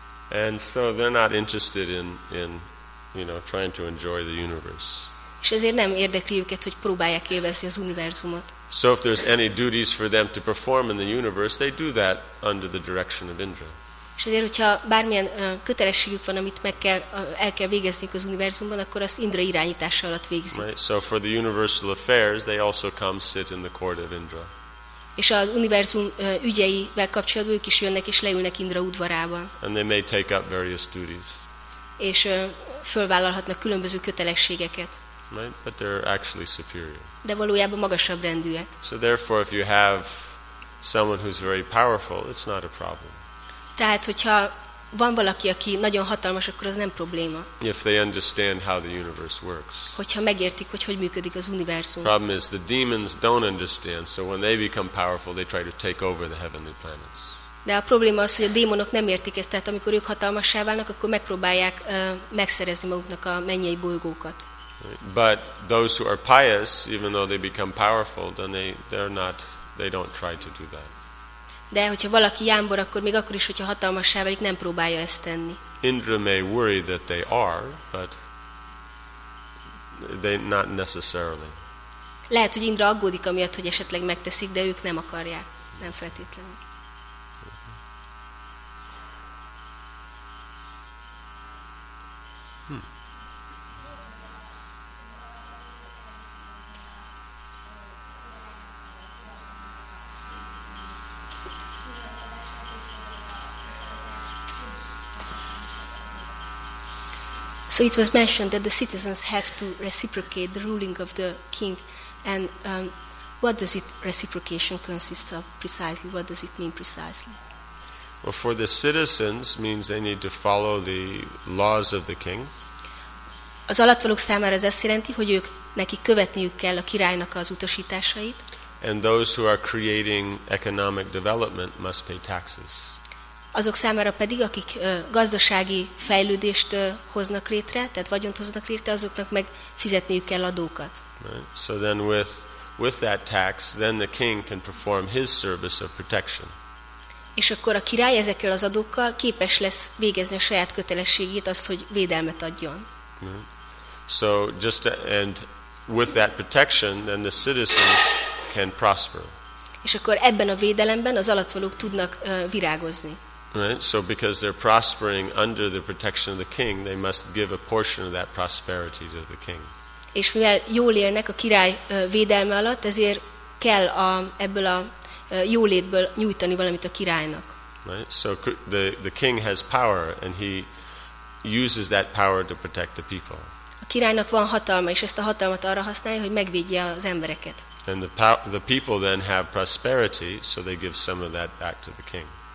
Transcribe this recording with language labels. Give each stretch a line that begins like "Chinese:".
English: And so they're not interested in you know, trying to enjoy the universe.
Hungarian: És ezért nem érdekli őket, hogy próbálják élvezni az univerzumot.
English: So if there's any duties for them to perform in the universe, they do that under the direction of Indra.
Hungarian: És ezért, hogyha bármilyen kötelességük van, amit meg kell, el kell végezniük az univerzumban, akkor azt Indra irányítása alatt végzik.
English: Right. So for the universal affairs, they also come sit in the court of Indra.
Hungarian: És az univerzum ügyeivel kapcsolatban ők is jönnek és leülnek Indra udvarában.
English: And they may take up various duties.
Hungarian: És fölvállalhatnak különböző kötelességeket.
English: Right. But they're actually superior.
Hungarian: De valójában magasabb rendűek.
English: So therefore, if you have someone who's very powerful, it's not a problem.
Hungarian: Tehát, hogyha van valaki, aki nagyon hatalmas, akkor az nem probléma.
English: If they understand how the universe works.
Hungarian: Hogyha megértik, hogy hogy működik az univerzum.
English: Problem is, the demons don't understand, so when they become powerful, they try to take over the heavenly planets.
Hungarian: De a probléma az, hogy a démonok nem értik ezt, tehát amikor ők hatalmassá válnak, akkor megpróbálják megszerezni maguknak a mennyei bolygókat.
English: But those who are pious, even though they become powerful, then they don't try to do that.
Hungarian: De hogyha valaki jámbor, akkor még akkor is, hogyha hatalmassá válik, nem próbálja ezt tenni.
English: Indra may worry that they are, but they not necessarily.
Hungarian: Lehet, hogy Indra aggódik amiatt, hogy esetleg megteszik, de ők nem akarják, nem feltétlenül.
English: So it was mentioned that the citizens have to reciprocate the ruling of the king, and what does it reciprocation consist of precisely? What does it mean precisely? Well, for the citizens means they need to follow the laws of the king.
Hungarian: Az alattvalók számára ez azt jelenti, hogy ők neki követniük kell a királynak az utasításait.
English: And those who are creating economic development must pay taxes.
Hungarian: Azok számára pedig, akik gazdasági fejlődést hoznak létre, tehát vagyont hoznak létre, azoknak meg fizetniük kell adókat.
English: Right. So then with that tax, then the king can perform his service of protection.
Hungarian: És akkor a király ezekkel az adókkal képes lesz végezni a saját kötelességét, azt, hogy védelmet adjon.
English: Right. So just and with that protection, then the citizens can prosper.
Hungarian: És akkor ebben a védelemben az alattvalók tudnak virágozni.
English: Right, so because they're prospering under the protection of the king, they must give a portion of that prosperity to the king.
Hungarian: És mivel jól élnek a király védelme alatt, ezért kell ebből a jólétből nyújtani valamit a királynak.
English: Right, so the king has power and he uses that power to protect the people.
Hungarian: A királynak van hatalma, és ezt a hatalmat arra használja, hogy megvédje az embereket.
English: And the people then have prosperity, so they give some of that back to the king.